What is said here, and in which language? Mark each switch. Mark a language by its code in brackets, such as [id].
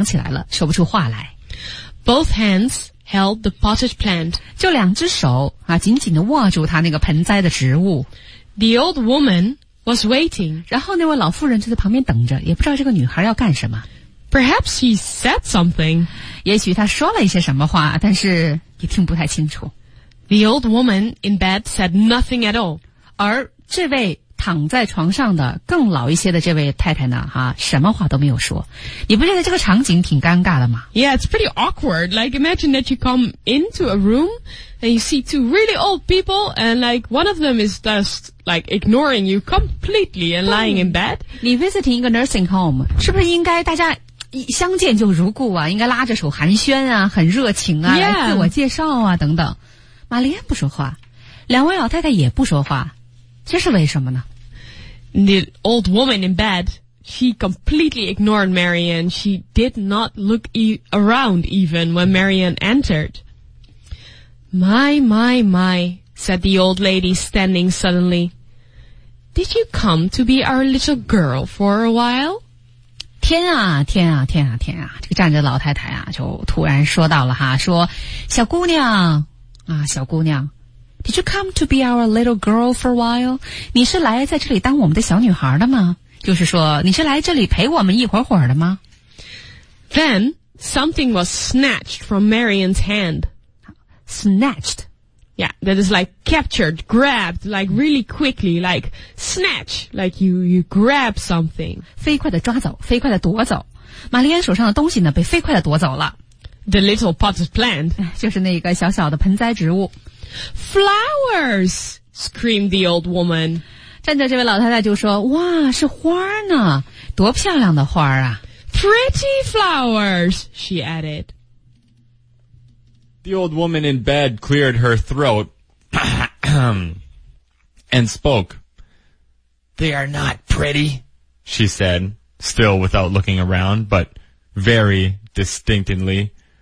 [zh] 她也不清楚这个情况是什么。之前自己也没有见过。所以一时呢,舌头又被绑起来了,说不出话来。Both [en] hands held the potted plant. [zh] 就两只手,紧紧地握住他那个盆栽的植物。The [en] old woman was waiting. [zh] 然后那位老妇人就在旁边等着,也不知道这个女孩要干什么。Perhaps [en] she said something. [zh] 也许她说了一些什么话,但是也听不太清楚。The [en] old woman in bed said nothing at all. [zh] 而这位躺在床上的更老一些的这位太太呢,什么话都没有说。你不觉得这个场景挺尴尬的吗? [en] Yeah, it's pretty awkward. Like, imagine that you come into a room and you see two really old people and like one of them is just like ignoring you completely and lying in bed. [zh] 你visiting 一个 nursing home, 是不是应该大家相见就如故啊,应该拉着手寒暄啊,很热情啊,自我介绍啊等等。玛丽安不说话,两位老太太也不说话。这是为什么呢? [en] The old woman in bed, she completely ignored Marion. She did not look around even when Marion entered. My, said the old lady standing suddenly. Did you come to be our little girl for a while? [zh] 天啊,这个站着老太太就突然说到了,说小姑娘,小姑娘。 [en] Did you come to be our little girl for a while? [zh] 你是来在这里当我们的小女孩的吗? 就是说,你是来这里陪我们一会儿会儿的吗? [en] Then, something was snatched from Marion's hand. Snatched? Yeah, that is like captured, grabbed, like really quickly, like snatch, like you grab something. [zh] 飞快地抓走，飞快地夺走。玛丽安手上的东西呢，被飞快地夺走了。 [en] The little potted plant. [zh] 就是那个小小的盆栽植物。 [en] Flowers! Screamed the old woman. [zh] 站在这位老太太就说，哇，是花呢，多漂亮的花啊。 [en] Pretty flowers, she added. The old woman in bed cleared her throat and spoke. They are not pretty, she said, still without looking around, but very distinctly.